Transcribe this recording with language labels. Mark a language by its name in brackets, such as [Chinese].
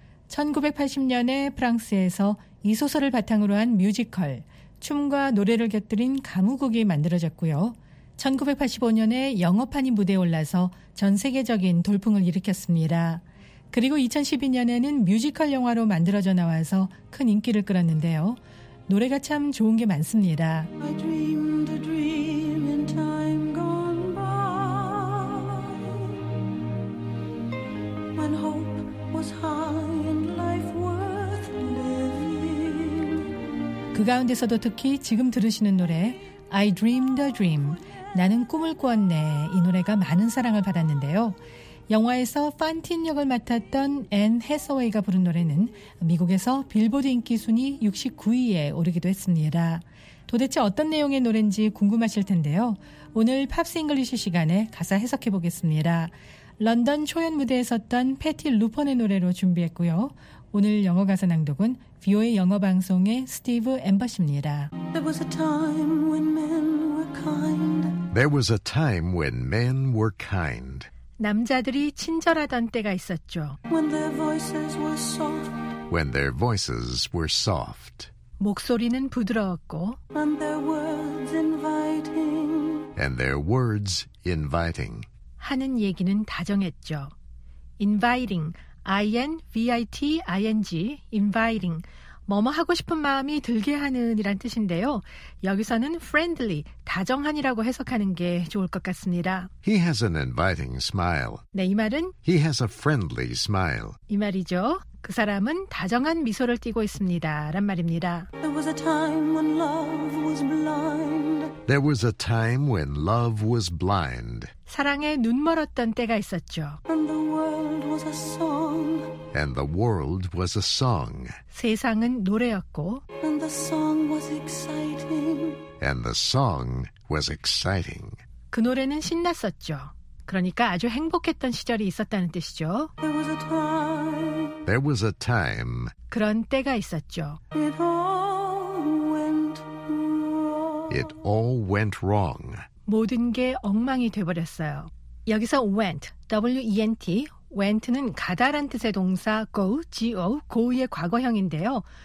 [Korean] 1980년에 프랑스에서 이 소설을 바탕으로 한 뮤지컬 춤과 노래를 곁들인 가무국이 만들어졌고요. 1985년에 영어판이 무대에 올라서 전 세계적인 돌풍을 일으켰습니다. 그리고 2012년에는 뮤지컬 영화로 만들어져 나와서 큰 인기를 끌었는데요. 노래가 참 좋은 게 많습니다. [English] I dreamed a dream in time gone by when hope was high and life was [Korean] 그 가운데서도 특히 지금 들으시는 노래 I Dreamed a Dream, 나는 꿈을 꾸었네 이 노래가 많은 사랑을 받았는데요. 영화에서 판틴 역을 맡았던 앤 해서웨이가 부른 노래는 미국에서 빌보드 인기 순위 69위에 오르기도 했습니다. 도대체 어떤 내용의 노래인지 궁금하실 텐데요. 오늘 팝스 잉글리시 시간에 가사 해석해 보겠습니다. 런던 초연 무대에 섰던 패티 루폰의 노래로 준비했고요. 오늘 영어 가사 낭독은 VOA 영어 방송의 스티브 엠버시입니다. [English] There was a time when men were kind. There was a time when men were kind. [Korean] 남자들이 친절하던 때가 있었죠. [English] When their voices were soft. When their voices were soft. [Korean] 목소리는 부드러웠고. [English] And their words inviting. And their words inviting. [Korean] 하는 얘기는 다정했죠. Inviting. I-N-V-I-T-I-N-G, inviting, 뭐뭐 하고 싶은 마음이 들게 하는 이란 뜻인데요. 여기서는 friendly, 다정한이라고 해석하는 게 좋을 것 같습니다. [English] He has an inviting smile. [Korean] 네, 이 말은 [English] He has a friendly smile. [Korean] 이 말이죠. 그 사람은 다정한 미소를 띠고 있습니다. 란 말입니다. [English] There was a time when love was blind. There was a time when love was blind. [Korean] 사랑에 눈 멀었던 때가 있었죠. [English] And the world was a song. And the world was a song. [Korean] 세상은 노래였고. [English] And the song was exciting. And the song was exciting. [Korean] 그 노래는 신났었죠. 그러니까 아주 행복했던 시절이 있었다는 뜻이죠. [English] There was a time. There was a time. [Korean] 그런 때가 있었죠. [English] It all went wrong. It all went wrong. [Korean] 모든 게 엉망이 돼버렸어요. 여기서 went, W-E-N-T, went는 가다란 뜻의 동사 go, G-O, go의 과거형인데요.